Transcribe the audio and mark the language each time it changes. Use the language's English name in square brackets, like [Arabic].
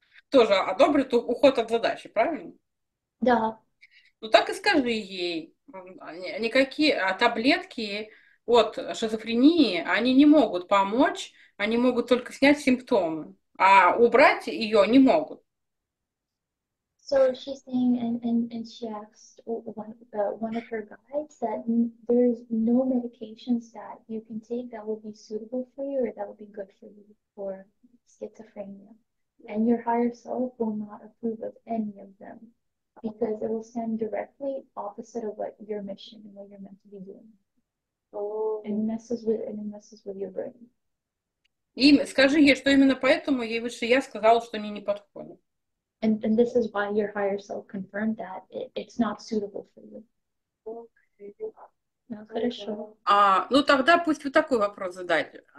[Russian] Тоже одобрит уход от задачи, правильно? Да. Ну так и скажи ей. Никакие таблетки от шизофрении, они не могут помочь. Они могут только снять симптомы, а убрать ее не могут. [English] So she's saying, and she asked one of her guides that there's no medications that you can take that will be suitable for you or that will be good for you for schizophrenia. And your higher self will not approve of any of them because it will stand directly opposite of what your mission and what you're meant to be doing. and it messes with your brain. [Russian] И скажи ей, что именно поэтому ей выше я сказала, что мне не подходит. [English] And this is why your higher self confirmed that it's not suitable for you. [Russian] Ну, хорошо. А, ну тогда пусть вот такой вопрос задать.